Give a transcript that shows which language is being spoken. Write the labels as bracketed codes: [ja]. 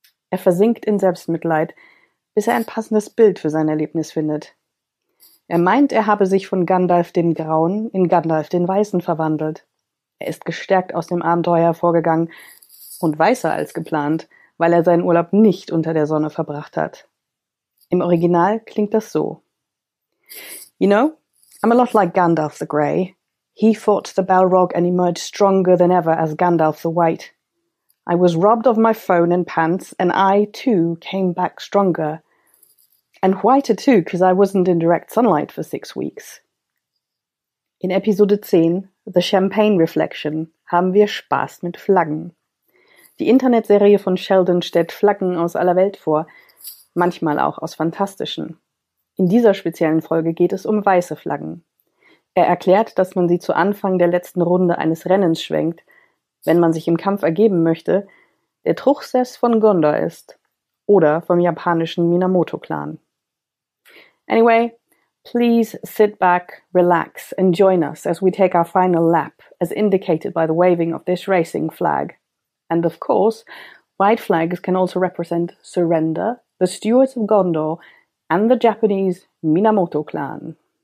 [de] Er versinkt in Selbstmitleid, bis er ein passendes Bild für sein Erlebnis findet. Er meint, er habe sich von Gandalf den Grauen in Gandalf den Weißen verwandelt. Er ist gestärkt aus dem Abenteuer hervorgegangen und weißer als geplant, weil er seinen Urlaub nicht unter der Sonne verbracht hat. Im Original klingt das so. [en] You know, I'm a lot like Gandalf the Grey. He fought the Balrog and emerged stronger than ever as Gandalf the White. I was robbed of my phone and pants and I, too, came back stronger. And whiter too, because I wasn't in direct sunlight for 6 weeks. [de] In Episode 10, The Champagne Reflection, haben wir Spaß mit Flaggen. Die Internetserie von Sheldon stellt Flaggen aus aller Welt vor, manchmal auch aus fantastischen. In dieser speziellen Folge geht es um weiße Flaggen. Er erklärt, dass man sie zu Anfang der letzten Runde eines Rennens schwenkt, wenn man sich im Kampf ergeben möchte, der Truchsess von Gondor ist oder vom japanischen Minamoto-Clan. [en] Anyway, please sit back, relax and join us as we take our final lap, as indicated by the waving of this racing flag. And of course, white flags can also represent surrender, the stewards of Gondor and the Japanese Minamoto-Clan.